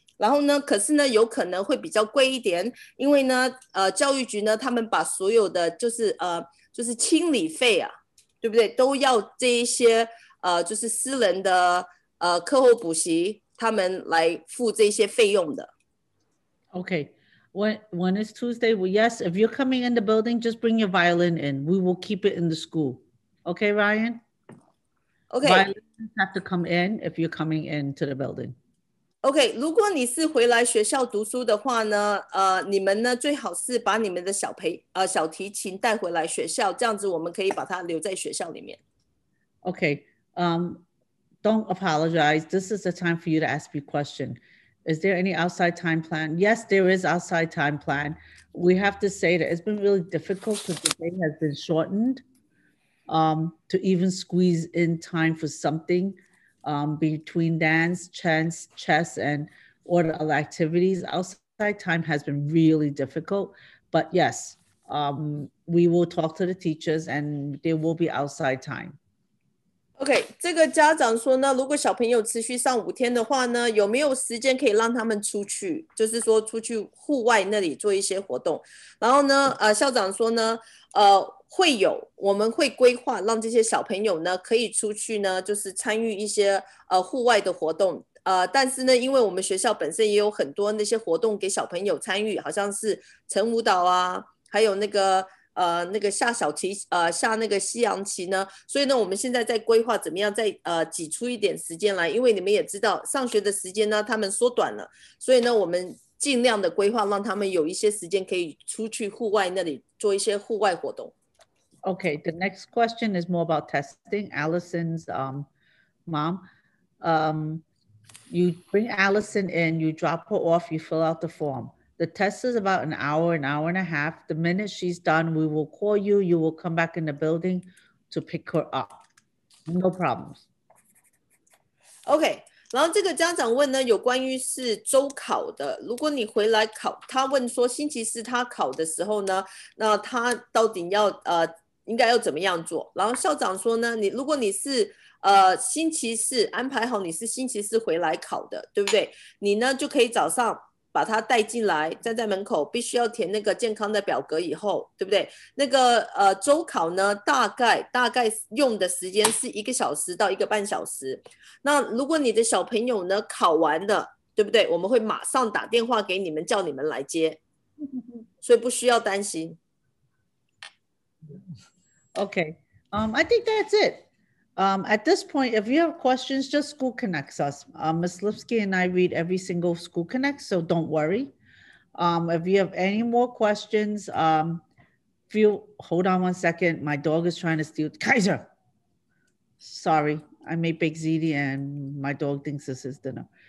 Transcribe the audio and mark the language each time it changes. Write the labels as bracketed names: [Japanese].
[Chinese] 然后呢，可是呢，有可能会比较贵一点，因为呢，教育局呢，他们把所有的就是清理费啊，对不对，都要这一些就是私人的课后补习，他们来付这些费用的。Okay, [English] when it's Tuesday, yes, if you're coming in the building, just bring your violin in. We will keep it in the school. Okay, Ryan? Okay. Violins have to come in if you're coming into the building. [Chinese] OK, 如果你是回来学校读书的话呢，你们呢最好是把你们的小提琴带回来学校，这样子我们可以把它留在学校里面。OK, [English] Don't apologize. This is the time for you to ask me question. Is there any outside time plan? Yes, there is outside time plan. We have to say that it's been really difficult because the day has been shortened to even squeeze in time for something. Between dance, chess, and all the other activities, outside time has been really difficult. But yes, We will talk to the teachers and there will be outside time. [Chinese] OK, 这个家长说呢，如果小朋友持续上五天的话呢，有没有时间可以让他们出去，就是说出去户外那里做一些活动。然后呢，校长说呢，会有，我们会规划让这些小朋友呢可以出去呢，就是参与一些户外的活动。但是呢，因为我们学校本身也有很多那些活动给小朋友参与，好像是晨舞蹈啊，还有那个那个下小棋，下那个西洋棋呢，所以呢，我们现在在规划怎么样再挤出一点时间来，因为你们也知道上学的时间呢，他们缩短了，所以呢，我们尽量的规划让他们有一些时间可以出去户外那里做一些户外活动。 [English] Okay, the next question is more about testing. Allison's mom, you bring Allison in, you drop her off, you fill out the form. The test is about an hour and a half. The minute she's done, we will call you. You will come back in the building to pick her up. No problems. Okay. [Chinese] 然后这个家长问呢，有关于是周考的。如果你回来考，他问说星期四他考的时候呢，那他到底要应该要怎么样做？然后校长说呢，你如果你是星期四安排好，你是星期四回来考的，对不对？你呢就可以早上把他带进来，站在门口，必须要填那个健康的表格以后，对不对？那个周考呢，大概用的时间是一个小时到一个半小时。那如果你的小朋友呢考完了，对不对？我们会马上打电话给你们，叫你们来接，所以不需要担心。 [English] Okay, I think that's it. At this point, if you have questions, just School Connects us. Ms. Lipsky and I read every single School Connects, so don't worry. If you have any more questions, hold on one second. My dog is trying to steal Kaiser. Sorry, I made baked ziti and my dog thinks this is dinner.